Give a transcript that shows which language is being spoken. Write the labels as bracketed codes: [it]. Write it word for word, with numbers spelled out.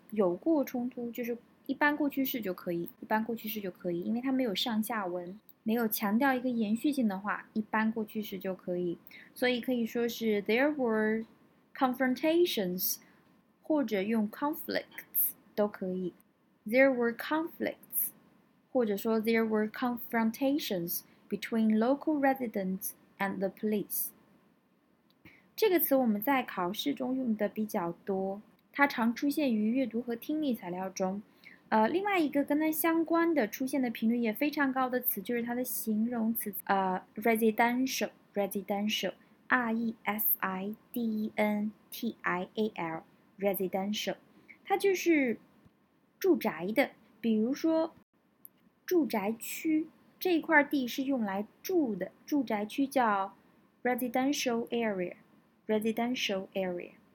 [zh] 有过冲突就是一般过去式就可以，一般过去式就可以，因为它没有上下文，没有强调一个延续性的话，一般过去式就可以。所以可以说是 [en] there were confrontations， [zh] 或者用 conflicts 都可以。 [en] There were conflicts， [zh] 或者说 [en] there were confrontations between local residents and the police。 [zh] 这个词我们在考试中用的比较多，它常出现于阅读和听力材料中。呃，另外一个跟它相关的出现的频率也非常高的词就是它的形容词，呃 residential， residential R E S I D E N T I A L residential， 它就是住宅的，比如说住宅区，这块地是用来住的，住宅区叫 residential area， residential area。